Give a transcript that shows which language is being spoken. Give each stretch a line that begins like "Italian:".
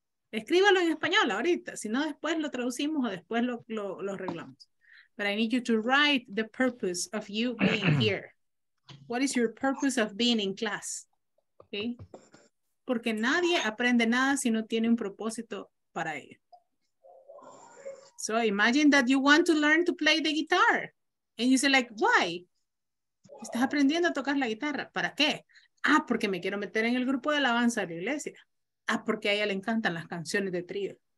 Spanish: Escríbalo en español ahorita, si no después lo traducimos o después lo arreglamos.
English: But I need you to write the purpose of you being here. What is your purpose of being in class? Okay?
Spanish: Porque nadie aprende nada si no tiene un propósito para ello.
English: So imagine that you want to learn to play the guitar. And you say like, why?
Spanish: Estás aprendiendo a tocar la guitarra. ¿Para qué? Ah, porque me quiero meter en el grupo de alabanza de la iglesia. Ah, porque a ella le encantan las canciones de trío.